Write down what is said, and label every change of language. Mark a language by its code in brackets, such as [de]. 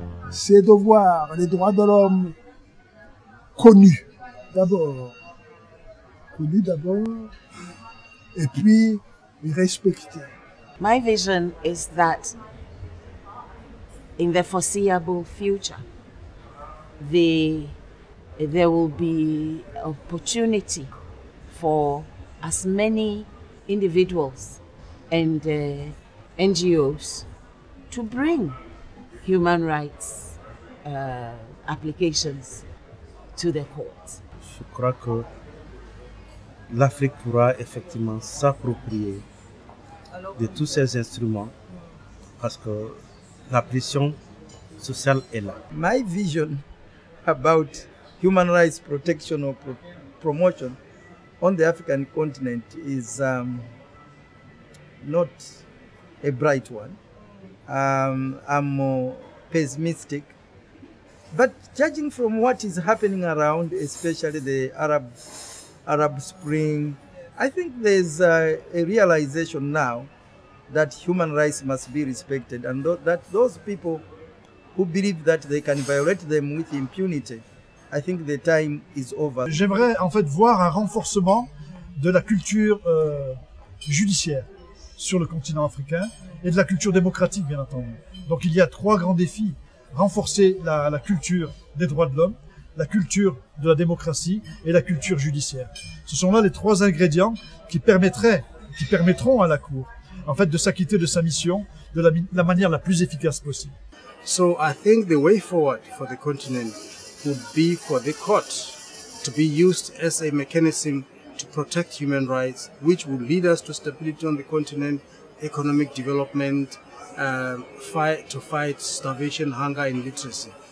[fr] C'est de voir les droits de l'homme connus d'abord, et puis respectés. [en] My vision is that in the foreseeable future, there will be opportunity for as many individuals and NGOs to bring human rights applications to the court. [fr] Je crois que l'Afrique pourra effectivement s'approprier de tous ces instruments parce que la pression sociale est là. [en] My vision about human rights protection or promotion on the African continent is not a bright one. I'm pessimistic. But judging from what is happening around, especially the Arab Spring, I think there's a realization now that human rights must be respected, and that those people who believe that they can violate them with impunity, I think the time is over. [fr] J'aimerais en fait voir un renforcement de la culture judiciaire sur le continent africain et de la culture démocratique, bien entendu. Donc il y a trois grands défis. Renforcer la culture des droits de l'homme, la culture de la démocratie et la culture judiciaire. Ce sont là les trois ingrédients qui permettront à la Cour en fait de s'acquitter de sa mission de la manière la plus efficace possible. [en] So I think the way forward for the continent would be for the court to be used as a mechanism to protect human rights, which will lead us to stability on the continent, economic development, to fight starvation, hunger, and illiteracy.